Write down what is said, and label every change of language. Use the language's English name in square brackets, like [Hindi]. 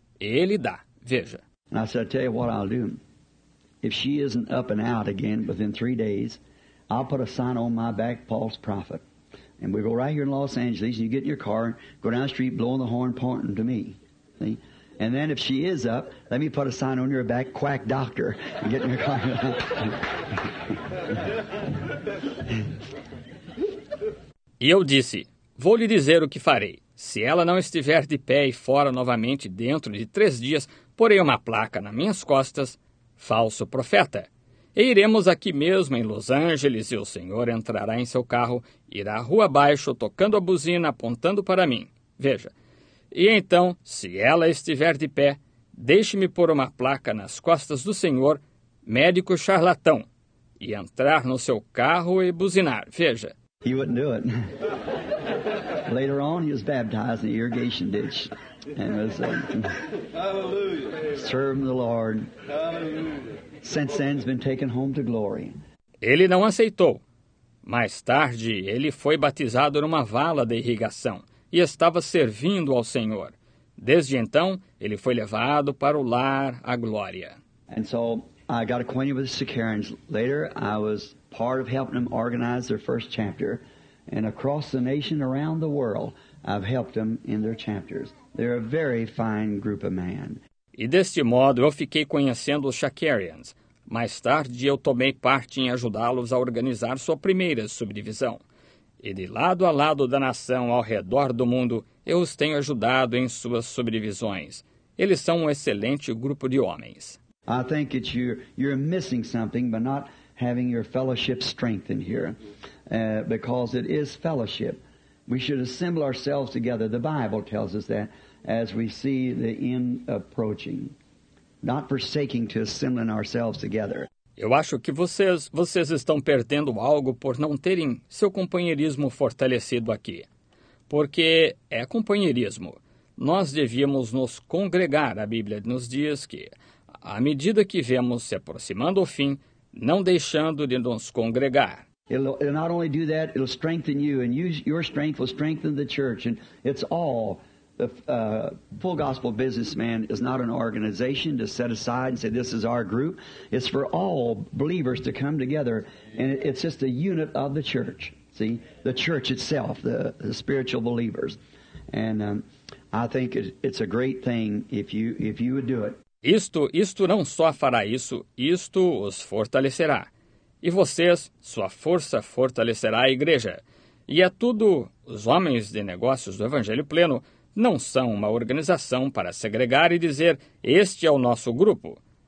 [Portuguese] Ele dá. Veja. [English] I said, I'll tell you what I'll do. If she isn't up and out again within 3 days, I'll put a sign on my back, Paul's prophet. And we go right here in Los Angeles, and you get in your car, go down the street, blowing the horn, pointing to me. See? And then if she is up, let me put a sign on your back, quack doctor, and get in your car. [Portuguese] E eu disse, vou lhe dizer o que farei. Se ela não estiver de pé e fora novamente dentro de 3 dias, porei uma placa nas minhas costas, falso profeta. E iremos aqui mesmo em Los Angeles e o senhor entrará em seu carro, irá rua abaixo, tocando a buzina, apontando para mim. Veja. E então, se ela estiver de pé, deixe-me pôr uma placa nas costas do senhor, médico charlatão, e entrar no seu carro e buzinar. Veja. [English] He wouldn't do it. Later on, he was baptized in the irrigation ditch. And was serving the Lord. Hallelujah. Since then, he's been taken home to glory. [Portuguese] Ele não aceitou. Mais tarde, ele foi batizado numa vala de irrigação e estava servindo ao Senhor. Desde então, ele foi levado para o lar à glória. [English] And so, I got acquainted with the Shakarians. Later, I was part of helping them organize their first chapter. And across the nation, around the world, I've helped them in their chapters. They're a very fine group of men. [Portuguese] E deste modo eu fiquei conhecendo os Shakarians. Mais tarde eu tomei parte em ajudá-los a organizar sua primeira subdivisão. E de lado a lado da nação ao redor do mundo, eu os tenho ajudado em suas subdivisões. Eles são um excelente grupo de homens. [English] I think that you're missing something by not having your fellowship strengthened here. Because it is fellowship. We should assemble ourselves together. The Bible tells us that. As we see the end approaching, not forsaking to assembling ourselves together. [Portuguese] Eu acho que vocês estão perdendo algo por não terem seu companheirismo fortalecido aqui. Porque é companheirismo. Nós devíamos nos congregar. A Bíblia nos diz que, à medida que vemos se aproximando o fim, não deixando de nos congregar. [English] It'll not only do that, it'll strengthen you, and your strength will strengthen the church, and it's all. The full gospel businessman is not an organization to set aside and say, this is our group. It's for all believers to come together. And it's just a unit of the church. See, the church itself, the spiritual believers. And I think it's a great thing if you would do it. [Portuguese] Isto não só fará isso, isto os fortalecerá. E vocês, sua força fortalecerá a igreja. E é tudo, os homens de negócios do Evangelho Pleno, não são uma organização para segregar e dizer, este é o nosso grupo.